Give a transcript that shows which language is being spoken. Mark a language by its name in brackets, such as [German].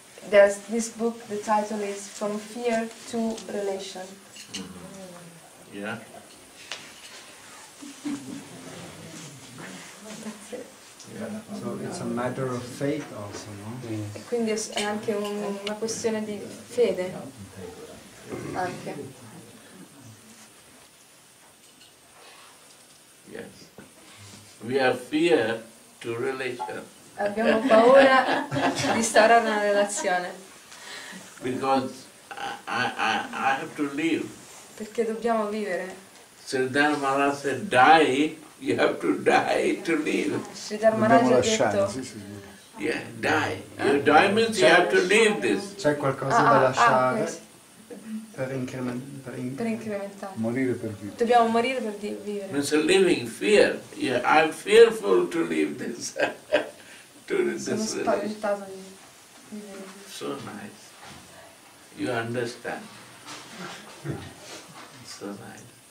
[English] There's this book, the title is From Fear to Relation. Mm-hmm. Yeah. So it's a matter of faith also, no? [Italian] E quindi è anche una questione di fede. Anche. [English] Yes. We have fear to relation. [Italian] Abbiamo paura di stare in una relazione. [English] Because I have to live. [Italian] Perché dobbiamo vivere. [English] Sadhu Maharaja said, die You have to die to live. [Italian] Sridhar Maharaja ha detto. [English] Yeah, die. You die means you have to leave this. [Italian] C'è qualcosa da lasciare per incrementare. Morire per vivere. Dobbiamo morire per vivere. [English] It's a living fear. Yeah, I'm fearful to leave this. To this. [Italian] Sono spaventato di. [English] So nice. You understand. So nice.